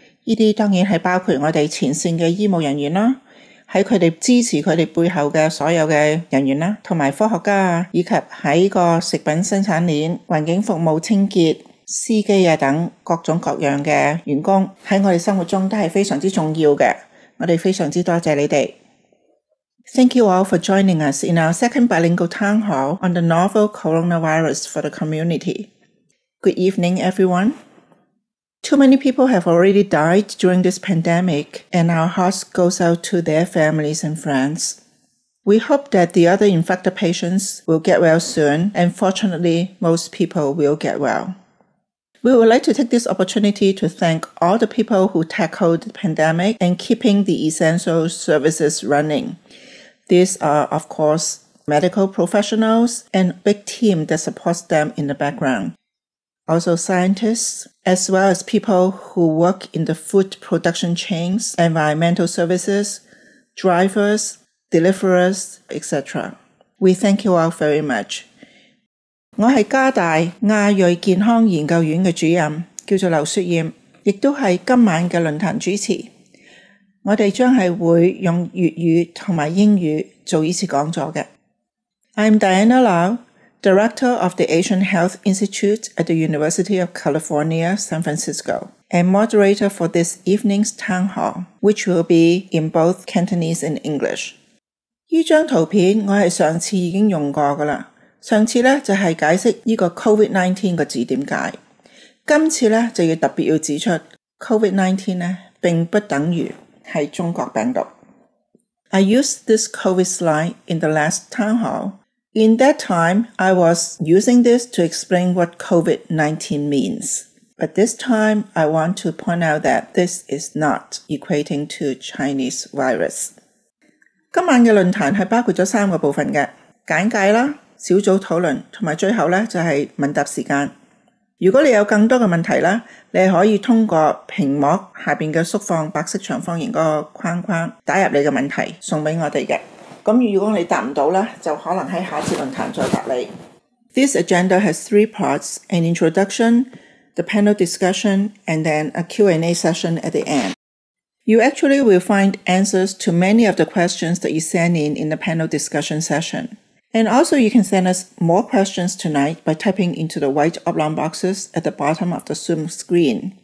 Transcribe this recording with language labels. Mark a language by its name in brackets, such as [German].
[Cantonese] 呢啲当然系包括我哋前线嘅医务人员啦，喺佢哋支持佢哋背后嘅所有嘅人员啦，同埋科学家，以及喺个食品生产链、环境服务、清洁、司机啊等各种各样嘅员工，喺我哋生活中都系非常之重要嘅。我哋非常之多谢你哋。 [English] Thank you all for joining us in our second bilingual town hall on the novel coronavirus for the community. Good evening, everyone. Too many people have already died during this pandemic, and our hearts go out to their families and friends. We hope that the other infected patients will get well soon, and fortunately, most people will get well. We would like to take this opportunity to thank all the people who tackled the pandemic and keeping the essential services running. These are, of course, medical professionals and big team that supports them in the background. Also scientists, as well as people who work in the food production chains, environmental services, drivers, deliverers, etc. We thank you all very much. [Cantonese] 我是加大亚裔健康研究院的主任，叫做刘雪艳，亦都是今晚的论坛主持。我哋将系会用粤语同埋英语做呢次讲座嘅。 [English] I'm Diana Lau, Director of the Asian Health Institute at the University of California, San Francisco, and moderator for this evening's town hall, which will be in both Cantonese and English. [Cantonese] 呢张图片我系上次已经用过噶啦。上次咧就系解释呢个 COVID-19 个字点解。今次咧就要特别要指出 COVID-19 咧并不等于。是中国病毒。 [English] I used this COVID slide in the last town hall. In that time, I was using this to explain what COVID-19 means. But this time, I want to point out that this is not equating to Chinese virus. [Cantonese] 今晚的论坛是包括了三个部分的。简介、小组讨论和最后就是问答时间。如果你有更多的问题，你可以通过屏幕下面的缩放白色长方形的框框打入你的问题送给我们的。如果你答不到，就可能在下次论坛再答你。 [English] This agenda has three parts, an introduction, the panel discussion, and then a Q&A session at the end. You actually will find answers to many of the questions that you send in the panel discussion session. And also, you can send us more questions tonight by typing into the white oblong boxes at the bottom of the Zoom screen.